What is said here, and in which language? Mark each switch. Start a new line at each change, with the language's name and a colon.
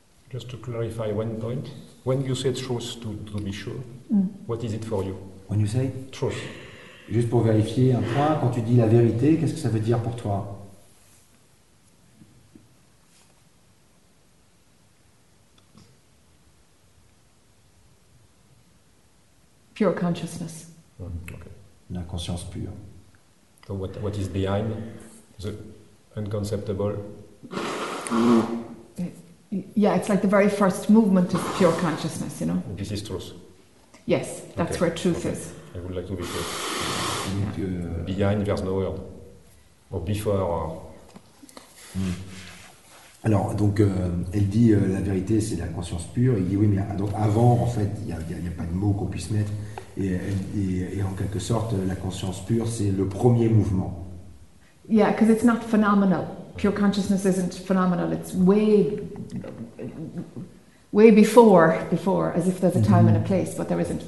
English: Just to clarify one point, when you say truth to be sure, what is it for you? When you say truth.
French: Juste pour vérifier un point, quand tu dis la vérité, qu'est-ce que ça veut dire pour toi?
English: Pure consciousness. Okay.
French: La conscience pure.
English: So what is behind the unconceptible? Yeah, it's like the very first movement of pure consciousness, you know? This is truth. Yes, that's okay. Where truth is. I would like to be clear. Behind, there's no world. Or before.
French: Alors, donc, elle dit la vérité, c'est la conscience pure. Il dit oui, mais donc, avant, en fait, il n'y a pas de mots qu'on puisse mettre. Et en quelque sorte, la conscience pure, c'est le premier mouvement.
English: Yeah, because it's not phenomenal. Pure consciousness isn't phenomenal. It's way, way before, as if there's a time and a place, but there isn't.